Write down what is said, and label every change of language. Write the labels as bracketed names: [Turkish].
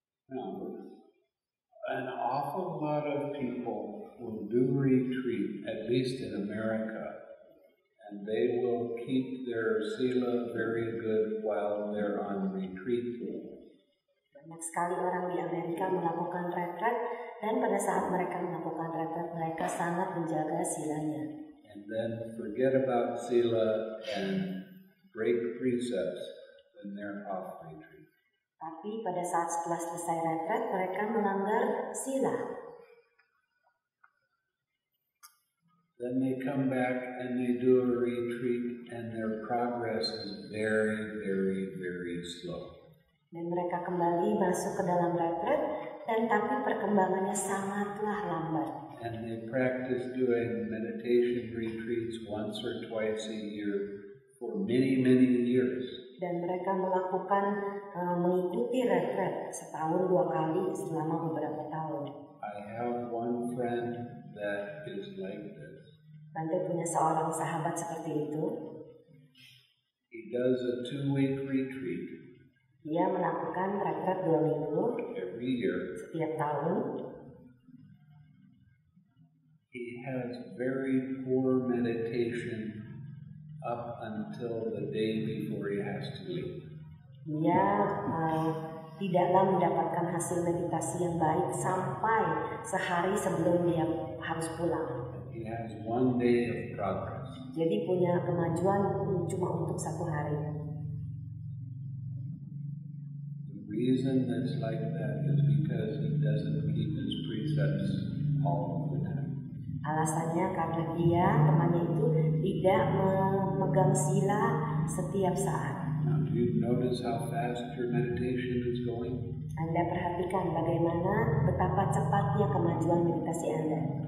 [English] Now, an awful lot of people will do retreat, at least in America, and they will keep their sila very good while they're on retreat. [Indonesian] Banyak sekali orang di Amerika melakukan retret, dan pada saat mereka melakukan retret, mereka sangat menjaga silanya. [English] And then forget about sila and break precepts when they're off retreat. [Indonesian] Tapi pada saat setelah selesai retret, mereka melanggar sila. [English] Then they come back and they do a retreat and their progress is very, very, very slow. [Indonesian] Dan mereka kembali masuk ke dalam retret dan tapi perkembangannya sangatlah lambat. [English] And they practice doing meditation retreats once or twice a year for many, many years. [Indonesian] Dan mereka melakukan mengikuti retret setahun dua kali selama beberapa tahun. [English] I have one friend that is like this. [Indonesian] Anda punya seorang sahabat seperti itu. [English] He does a 2-week retreat. [Indonesian] Dia melakukan retret 2 minggu. [English] Every year. [Indonesian] Setiap tahun. [English] He has very poor meditation up until the day before he has to leave. [Indonesian] Dia tidaklah mendapatkan hasil meditasi yang baik sampai sehari sebelum dia harus pulang. [English] He has one day of progress. [Indonesian] Jadi punya kemajuan cuma untuk satu hari. [English] The reason that's like that is because he doesn't keep his precepts all the time. [Indonesian] Alasannya karena dia, temannya itu, tidak memegang sila setiap saat. [English] Now, do you notice how fast your meditation is going? [Indonesian] Anda perhatikan bagaimana betapa cepatnya kemajuan meditasi Anda.